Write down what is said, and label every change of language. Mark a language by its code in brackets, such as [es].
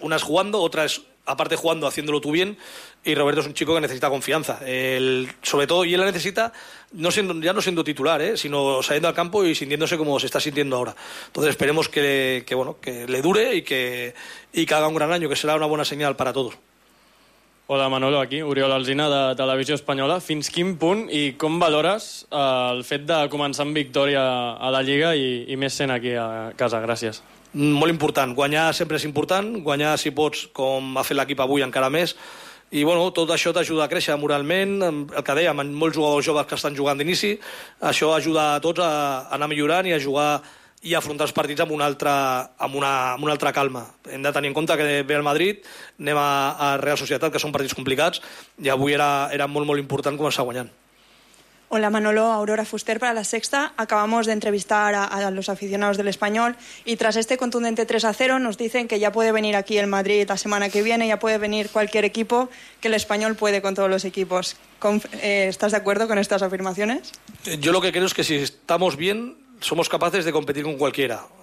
[es] Una es jugando, otra es, aparte jugando, haciéndolo tú bien. Y Roberto es un chico que necesita confianza. Él la necesita, no siendo titular, sino saliendo al campo y sintiéndose como se está sintiendo ahora. Entonces esperemos que le dure y que haga un gran año, que será una buena señal para todos. [ca] Hola Manolo, aquí Oriol Alsina de Televisió Espanyola. Fins quin punt i com valores el fet de començar amb victòria a la Lliga i més sent aquí a casa? Gràcies. Molt important. Guanyar sempre és important. Guanyar, si pots, com ha fet l'equip avui, encara més. I bueno, tot això t'ajuda a créixer moralment. El que dèiem, amb molts jugadors joves que estan jugant d'inici, això ajuda a tots a anar millorant i a jugar i afrontar els partits amb una altra calma. Hem de tenir en compte que ve el Madrid, anem a Real Societat, que són partits complicats, i avui era molt, molt important començar guanyant. [es] Hola Manolo, Aurora Fuster para La Sexta. Acabamos de entrevistar a los aficionados del Español y tras este contundente 3-0 nos dicen que ya puede venir aquí el Madrid la semana que viene, ya puede venir cualquier equipo, que el Español puede con todos los equipos. ¿Estás de acuerdo con estas afirmaciones? Yo lo que creo es que si estamos bien... somos capaces de competir con cualquiera.